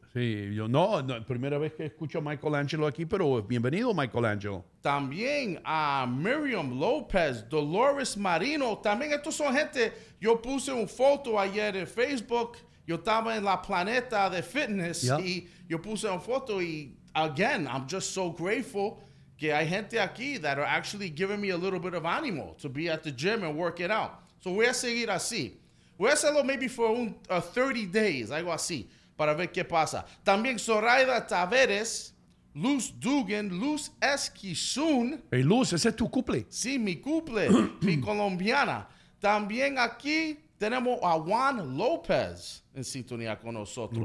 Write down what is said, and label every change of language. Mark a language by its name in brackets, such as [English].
[Spanish] Sí, yo no, primera vez que escucho a Michelangelo aquí, pero bienvenido, Michelangelo. También a Miriam López, Dolores Marino. También estos son gente, yo puse una foto ayer en Facebook. Yo estaba en la planeta de fitness y yo puse una foto. [English] Y, again, I'm just so grateful [Spanish] que hay gente aquí [English] that are actually giving me a little bit of ánimo to be at the gym and work it out. [Spanish] So voy a seguir así. Voy a hacerlo [English] maybe for 30 days, [Spanish] algo así. Para ver qué pasa. También Zoraida Taveres, Luz Dugan, Luz Esquizun. Hey Luz, ese es tu cumple. Sí, mi cumple, mi colombiana. También aquí tenemos a Juan López en sintonía con nosotros.